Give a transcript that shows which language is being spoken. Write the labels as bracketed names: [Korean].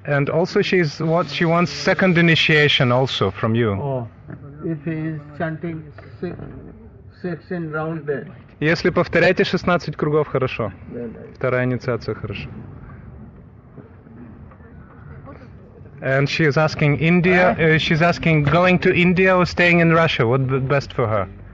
[English] And also she wants second initiation also from you. Oh, if he is chanting 16 round there. [Russian] Если повторяете 16 кругов, хорошо. Вторая инициация, хорошо. [English] And she is asking India, she's asking going to India or staying in Russia, what would be best for her?